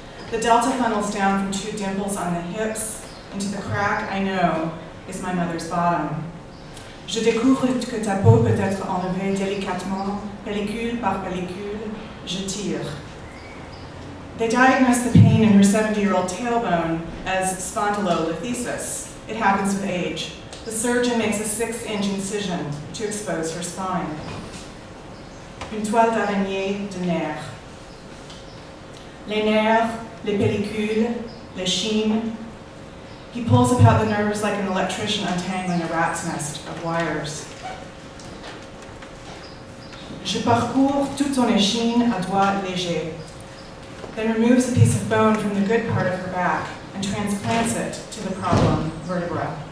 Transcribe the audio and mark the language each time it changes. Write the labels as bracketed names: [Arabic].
[English] The delta funnels down from two dimples on the hips into the crack I know is my mother's bottom. [French] Je découvre que ta peau peut être enlevée délicatement, pellicule par pellicule, je tire. [English] They diagnose the pain in her 70-year-old tailbone as spondylolisthesis. It happens with age. The surgeon makes a 6-inch incision to expose her spine. [French] Une toile d'araignée de nerfs. Les nerfs, les pellicules, les chines. [English] He pulls about the nerves like an electrician untangling a rat's nest of wires. [French] Je parcours toute son échine à doigt léger. [English] Then removes a piece of bone from the good part of her back and transplants it to the problem vertebra.